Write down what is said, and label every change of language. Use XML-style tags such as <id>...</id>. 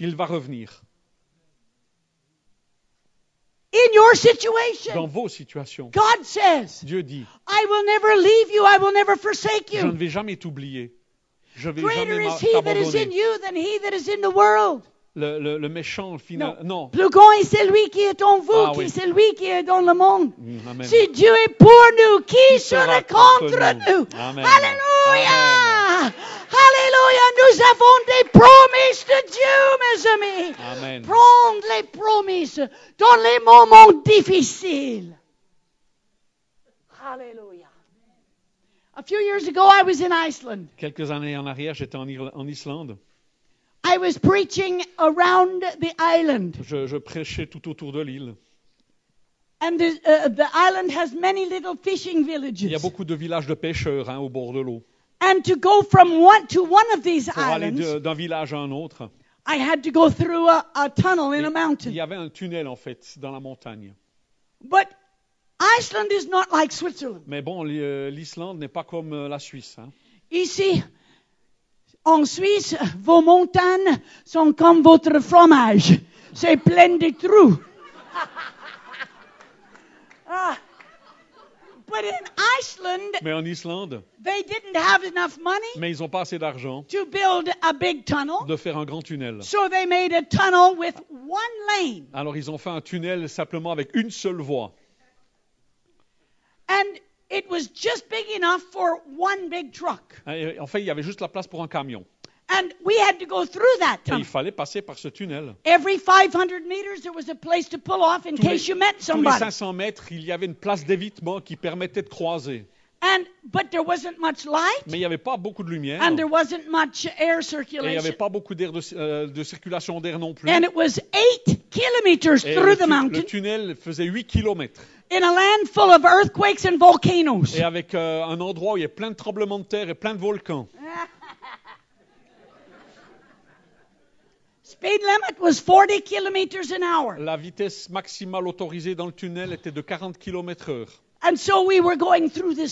<fr>Il va revenir.</fr> <en>In your situation,</en> <fr>dans vos situations,</fr> <en>God says,</en> <fr>Dieu dit,</fr> <en>I will never leave you, I will never forsake you.</en> <fr>Je ne vais jamais t'oublier. Je vais</fr> <en>greater</en> <fr>jamais</fr> <en>is he that is in you than he that is in the world.</en> <fr>Le méchant final, non. Plus grand est celui qui est en vous, ah, qui oui. Celui qui est dans le monde. Amen. Si Dieu est pour nous, qui sera contre nous? Amen. Alléluia! Amen. Alléluia, nous avons des promesses de Dieu, mes amis. Amen. Prendre les promesses dans les moments difficiles. Alléluia.</fr> <en>A few years ago, I was in Iceland.</en> <fr>Quelques années en arrière, j'étais en Islande.</fr> <en>I was preaching around the island.</en> <fr>Je prêchais tout autour de l'île.</fr> <en>And the island has many little fishing villages.</en> <fr>Il y a beaucoup de villages de pêcheurs hein, au bord de l'eau.</fr> <en>And to go from one to one of these islands,</en> <fr>pour aller d'un village à un autre,</fr> <en>I had to go through a tunnel in a mountain.</en> <fr>Il y avait un tunnel en fait dans la montagne.</fr> <en>But Iceland is not like Switzerland.</en> <fr>Mais bon, l'Islande n'est pas comme la Suisse. Hein. Ici, en Suisse, vos montagnes sont comme votre fromage. C'est plein de trous.</fr> <en>But in Iceland,</en> <fr>mais en Islande,</fr> <en>they didn't have enough money,</en> <fr>mais ils n'ont pas assez d'argent,</fr> <en>to build a big tunnel,</en> <fr>de faire un grand tunnel.</fr> <en>So they made a tunnel with one lane.</en> <fr>Alors ils ont fait un tunnel simplement avec une seule voie.</fr> <en>And it was just big enough for one big truck.</en> <fr>En fait, il y avait juste la place pour un camion.</fr> <en>And we had to go through that tunnel.</en> <fr>Et il fallait passer par ce tunnel.</fr> <en>Every 500 meters, there was a place to pull off in case you met somebody.</en> <fr>Tous les 500 mètres, il y avait une place d'évitement qui permettait de croiser.</fr> <en>And but there wasn't much light.</en> <fr>Mais il n'y avait pas beaucoup de lumière.</fr> <en>And there wasn't much air circulation.</en> <fr>Et il n'y avait pas beaucoup d'air de circulation d'air non plus.</fr> <en>And it was 8 kilometers through the mountain.</en> <fr>Le tunnel faisait 8 kilomètres.</fr> <en>In a land full of earthquakes and volcanoes.</en> <fr>Et avec un endroit où il y a plein de tremblements de terre et plein de volcans.</fr> <en>Speed limit was 40 kilometers an hour.</en> <fr>La vitesse maximale autorisée dans le tunnel était de 40 km/h.</fr> <en>And so we were going through this</en>